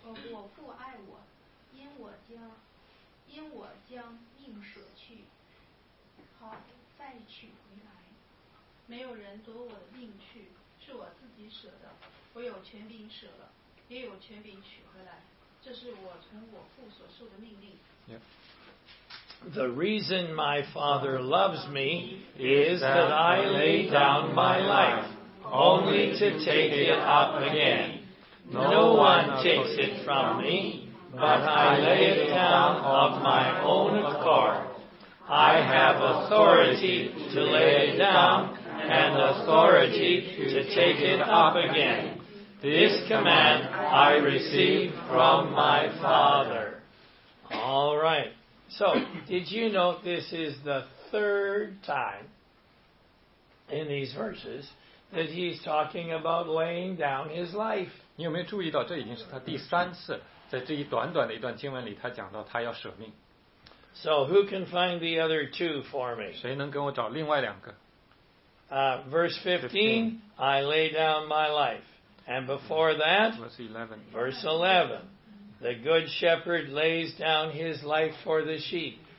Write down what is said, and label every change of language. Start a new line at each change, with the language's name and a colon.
Chinese: 我父爱我，因我将命舍去，好再取回来。没有人夺我的命去，是我自己舍的。我有权柄舍了，也有权柄取回来。这是我从我父所受的命令。 Yeah.
English: The reason my father loves me is that I lay down my life, only to take it up again. No one takes it from me, but I lay it down of my own accord. I have authority to lay it down, and authority to take it up again. This command I receive from my father. All right. So, did you note this is the third time in these verses that he's talking about laying down his life?
Chinese: 你有没有注意到这已经是他第三次在这一短短的一段经文里他讲到他要舍命。
English: So, who can find the other two for me?
Chinese: 谁能跟我找另外两个?
English: Verse 15, I lay down my life. And before that, verse 11. The good shepherd lays down his life for the sheep.